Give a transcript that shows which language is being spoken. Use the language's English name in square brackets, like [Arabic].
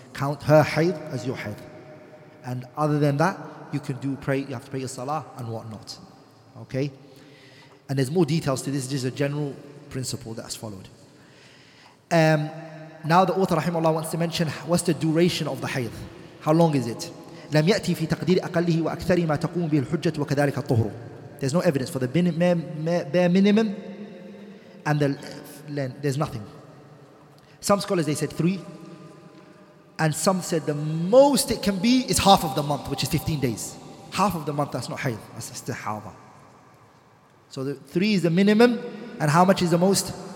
[English] Count her haid as your haid. And other than that, you can do pray, you have to pray your salah and whatnot. Okay? And there's more details to this, this is just a general principle that's followed. Now the author rahimahullah wants to mention what's the duration of the haid. How long is it? [Arabic] لم يأتي في تقدير أقله وأكثر ما تقوم به الحجة وكذلك الطهر. [English] There's no evidence for the bare minimum and the length. There's nothing. Some scholars, they said 3. And some said the most it can be is half of the month, which is 15 days. Half of the month, that's not haid. That's istihadha. So the 3 is the minimum. And how much is the most?